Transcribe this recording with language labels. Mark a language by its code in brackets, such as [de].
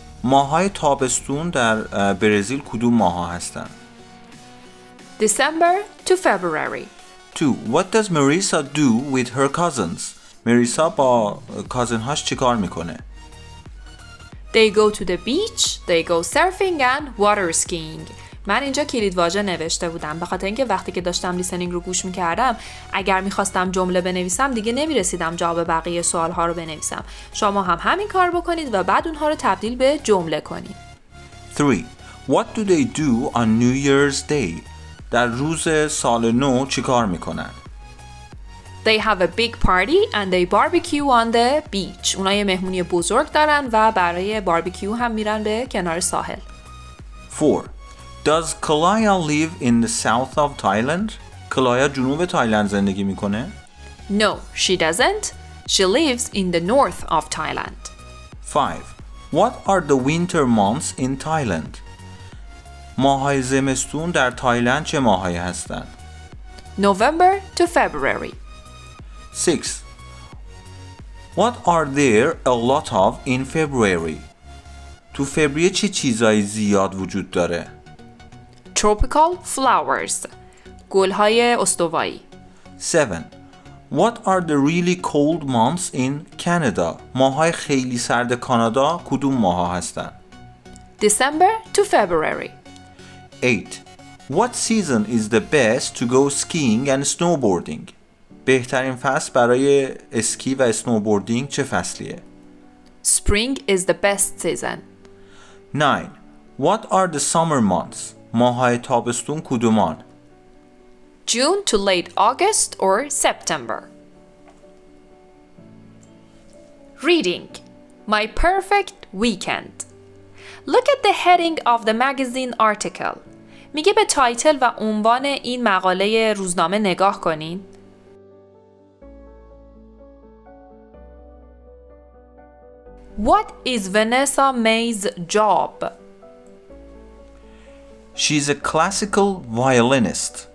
[fa] ماهای تابستون در برزیل کدوم ماها هستن؟ [en] December to February. 2. What does Marisa do with her cousins? [fa] Marisa با کازن‌هاش چیکار میکنه؟ [en] They go to the beach, they go surfing and water skiing. [fa] من اینجا کلید واژه نوشته بودم به خاطر اینکه وقتی که داشتم لیسنینگ رو گوش میکردم اگر میخواستم جمله بنویسم دیگه نمیرسیدم جواب بقیه سوالها رو بنویسم. شما هم همین کار بکنید و بعد اونها رو تبدیل به جمله کنید. 3. [en] What do they do on New Year's Day? [fa] در روز سال نو چی کار میکنن؟ [en] They have a big party and they barbecue on the beach. [fa] اونا یه مهمونی بزرگ دارن و برای باربیکیو هم میرن به کنار ساحل. 4. [en] Does Kalaya live in the south of Thailand? [fa] Kalaya جنوب تایلند زندگی میکنه؟ [en] No, she doesn't. She lives in the north of Thailand. 5. What are the winter months in Thailand? [fa] ماهای زمستون در تایلند چه ماهایی هستن؟ [en] November to February. 6. What are there a lot of in February? [fa] تو فوریه چه چیزایی زیاد وجود داره؟ [en] Tropical flowers. [fa] گل‌های استوایی. 7. [en] What are the really cold months in Canada? [fa] ماهای خیلی سرد کانادا کدوم ماها هستن؟ [en] December to February. 8. What season is the best to go skiing and snowboarding? [fa] بهترین فصل برای اسکی و اسنوبوردینگ چه فصلیه؟ [en] Spring is the best season. 9. What are the summer months? [fa] ماهای تابستون کدومان؟ [en] June to late August or September. Reading. My perfect weekend. Look at the heading of the magazine article. [fa] میگه به تایتل و عنوان این مقاله روزنامه نگاه کنین. [en] What is Vanessa May's job? She's a classical violinist.